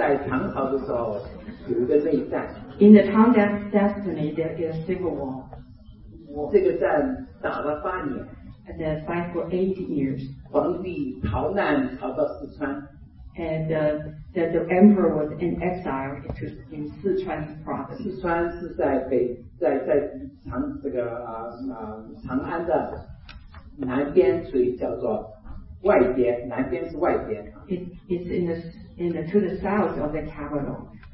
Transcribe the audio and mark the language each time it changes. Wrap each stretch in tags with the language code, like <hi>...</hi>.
<zh>你在看的时候呢，从前在唐朝的时候有一个内战。</zh> <en>In the Tang Dynasty, there is a civil war.</en> <zh>这个战打了八年。</zh> <en>And the fight for 8 years.</en> <zh>皇帝逃难逃到四川。</zh> <en>And the emperor was in exile in Sichuan province.</en> <zh>四川是在北，在长这个长安的南边，所以叫做。外边，南边是外边。</zh> <en>It's in the to the south of the capital.</en>